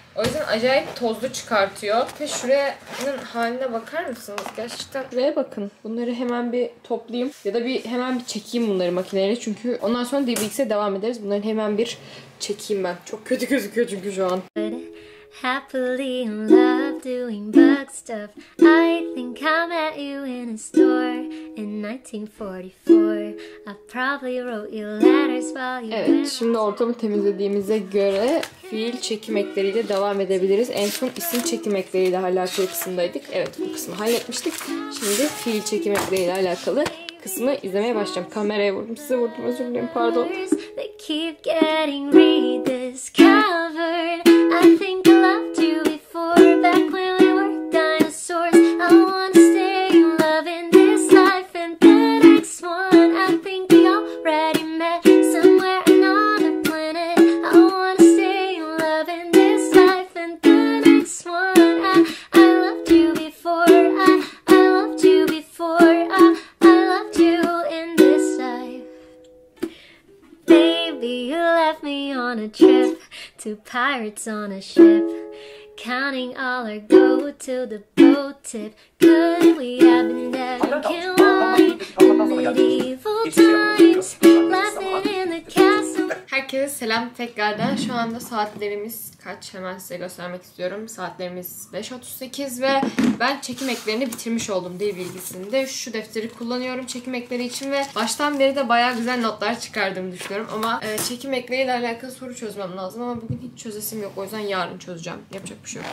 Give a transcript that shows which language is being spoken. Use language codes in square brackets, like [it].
[tr] O yüzden acayip tozlu çıkartıyor. Ve şuranın haline bakar mısınız gerçekten? Şuraya bakın. Bunları hemen bir toplayayım. Ya da hemen bir çekeyim bunları makineleri. Çünkü ondan sonra DBX'e devam ederiz. Bunları hemen bir çekeyim ben. Çok kötü gözüküyor çünkü şu an. [en] Happily in love doing bug stuff. I think I met you in a store in 1944. I probably wrote you letters while you. [tr] Evet, şimdi ortamı temizlediğimize göre fiil çekim ekleriyle devam edebiliriz. En son isim çekim ekleriyle alakalı kısımdaydık. Evet, bu kısmı halletmiştik. Şimdi fiil çekim ekleriyle alakalı kısmı izlemeye başlayacağım. Kameraya vurdum, size vurdum, özür dilerim, pardon. [en] They keep getting rediscovered. I think I loved you before, back when we were dinosaurs. I wanna stay in love in this life and the next one. I think we already met somewhere another planet. I wanna stay in love in this life and the next one. I loved you before, I loved you before, I loved you in this life. Baby, you left me on a trip. Two pirates on a ship, counting all our gold to the boat tip. Could we have been drinking wine in medieval times, laughing in the castle? [tr] Herkese selam tekrardan. Şu anda saatlerimiz kaç, hemen size göstermek istiyorum. Saatlerimiz 5.38 ve ben çekim eklerini bitirmiş oldum dil bilgisinde. Şu defteri kullanıyorum çekim ekleri için ve baştan beri de bayağı güzel notlar çıkardığımı düşünüyorum. Ama çekim ekleriyle alakalı soru çözmem lazım ama bugün hiç çözesim yok. O yüzden yarın çözeceğim. Yapacak bir şey yok.